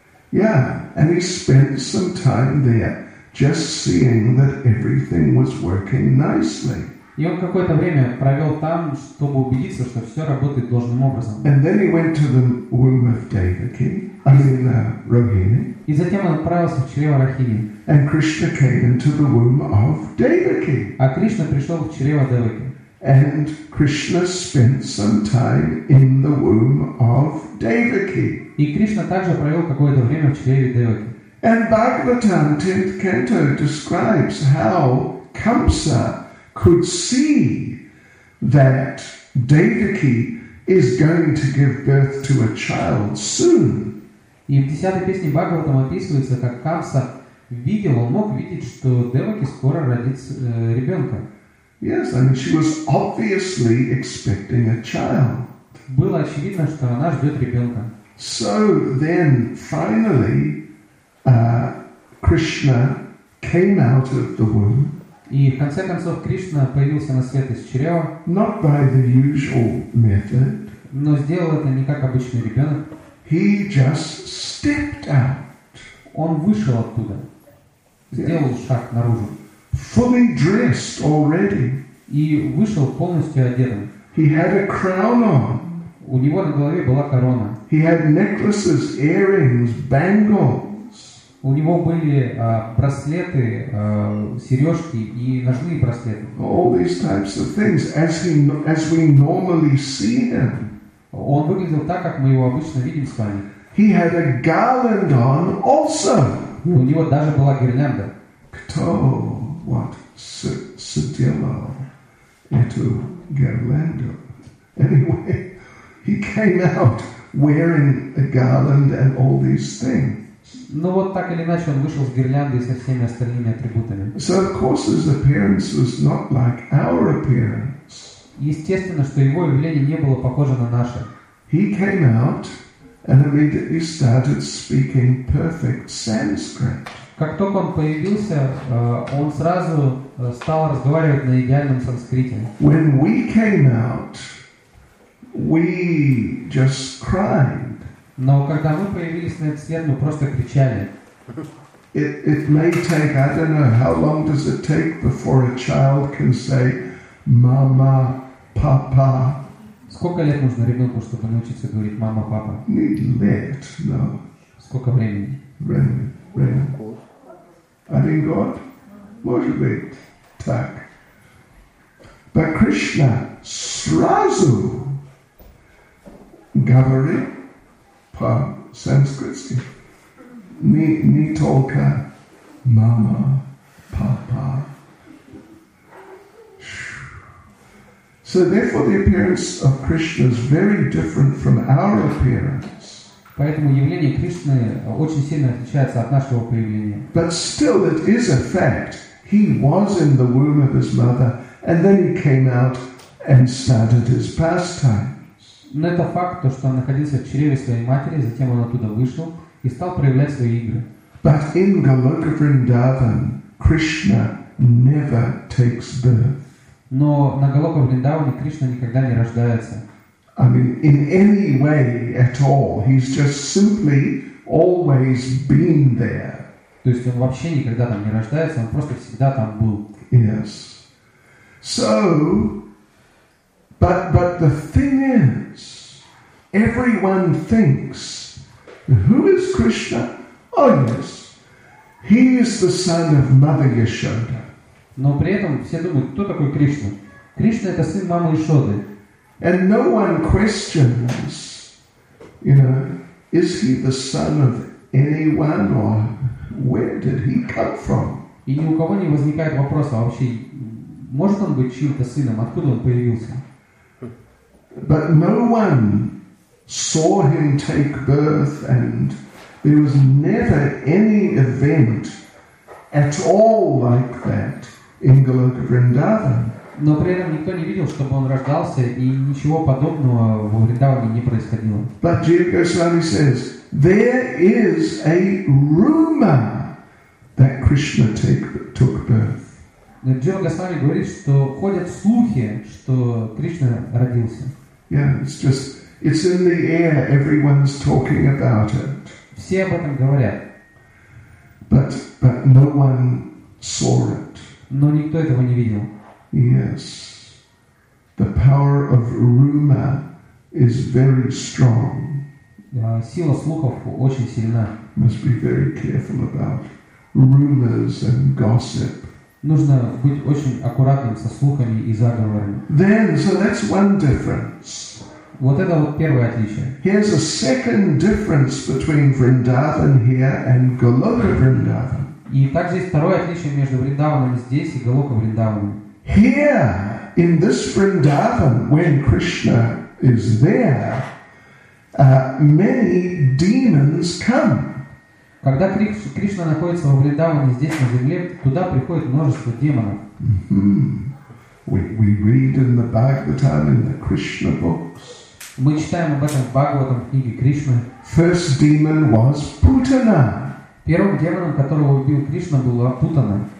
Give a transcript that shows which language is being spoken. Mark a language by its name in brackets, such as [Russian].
[English] Yeah, and he spent some time there just seeing that everything was working nicely. [Russian] И он какое-то время провел там, чтобы убедиться, что все работает должным образом. [English] And then he went to the womb of Devaki, Rohini. [Russian] И затем он отправился в чрево Рахини. [English] And Krishna came into the womb of Devaki. [Russian] А Кришна пришел в чрево Девики. [English] And Krishna spent some time in the womb of Devaki. [Russian] И Кришна также провел какое-то время в чреве Девики. [English] And Bhagavatam, 10th canto, describes how Kamsa could see that Devaki is going to give birth to a child soon. [Russian] И в 10-й песне Бхагаватам описывается, как Камса видел, он мог видеть, что Деваки скоро родит ребенка. [English] Yes, I mean she was obviously expecting a child. [Russian] Было очевидно, что она ждет ребенка. [English] So then, finally, Krishna came out of the womb. [Russian] И в конце концов Кришна появился на свет из чрева. [English] Not by the usual method. [Russian] Но сделал это не как обычный ребенок. [English] He just stepped out. [Russian] Он вышел оттуда, сделал шаг наружу. [English] Fully dressed already. [Russian] И вышел полностью одетым. [English] He had a crown on. [Russian] У него на голове была корона. [English] He had necklaces, earrings, bangles. [Russian] У него были браслеты, сережки и ножные браслеты. [English] All these types of things, as we normally see him. [Russian] Он выглядел так, как мы его обычно видим с вами. [English] He had a garland on also. [Russian] У него даже была гирлянда. Кто? What sedilo into garlando? [English] Anyway, he came out wearing a garland and all these things. [Russian] Ну вот так или иначе он вышел с гирляндой и со всеми остальными атрибутами. [English] So of course his appearance was not like our appearance. [Russian] Естественно, что его явление не было похоже на наше. [English] He came out and immediately started speaking perfect Sanskrit. [Russian] Как только он появился, он сразу стал разговаривать на идеальном санскрите. [English] When we came out, we just cried. [Russian] Но когда мы появились на этот свет, мы просто кричали. [English] It may take, I don't know, how long does it take before a child can say [Russian] «мама», «папа»? Сколько лет нужно ребенку, чтобы научиться говорить «мама», «папа»? Need lit, no. Сколько времени? Время. Один год? Может быть. Так. [English] But Krishna [Russian] сразу говорит по-санскритски не только мама, папа. [English] So therefore the appearance of Krishna is very different from our appearance. [Russian] Поэтому явление Кришны очень сильно отличается от нашего появления. [English] But still it is a fact. He was in the womb of his mother and then he came out and started his pastimes. [Russian] Но это факт, то, что он находился в чреве своей матери, затем он оттуда вышел и стал проявлять свои игры. [English] But in Goloka Vrindavan, Krishna never takes birth. [Russian] Но на Голока Вриндаване Кришна никогда не рождается. [English] I mean, in any way at all, he's just simply always been there. [Russian] То есть он вообще никогда там не рождается, он просто всегда там был. [English] Yes. So, but the thing is, everyone thinks, who is Krishna? Oh yes, he is the son of Mother Yashoda. [Russian] Но при этом все думают, кто такой Кришна? Кришна это сын мамы Яшоды. [English] And no one questions, you know, is he the son of anyone or where did he come from? [Russian] И ни у кого не возникает вопроса вообще, может он быть чьим-то сыном, откуда он появился? [English] But no one saw him take birth, and there was never any event at all like that in Goloka Vrindavan. [Russian] Но при этом никто не видел, чтобы он рождался, и ничего подобного в Вриндаване не происходило. [English] But Jiva Goswami says, there is a rumor that Krishna took birth. [Russian] Jiva Goswami говорит, что ходят слухи, что Кришна родился. [English] Yeah, it's in the air, everyone's talking about it. [Russian] Все об этом говорят. [English] But no one saw it. [Russian] Но никто этого не видел. [English] Yes, the power of rumor is very strong. [Russian] Сила слухов очень сильна. [English] Must be very careful about rumors and gossip. [Russian] Нужно быть очень аккуратным со слухами и заговорами. [English] Then, so that's one difference. [Russian] Вот это вот первое отличие. [English] Here's a second difference between Vrindavan here and Goloka Vrindavan. [Russian] И также есть второе отличие между Вриндаваном здесь и Голока Вриндаваном. [English] Here, in this Vrindavan, when Krishna is there, many demons come. [Russian] Когда Кришна находится во Вриндаване здесь, на земле, туда приходит множество демонов. Mm-hmm. [English] We read in the Bhagavatam, in the Krishna books. [Russian] Мы читаем об этом в Бхагаватам, в книге Кришны. [English] First demon was Putana. [Russian] Первым демоном, которого убил Кришна, был Путана.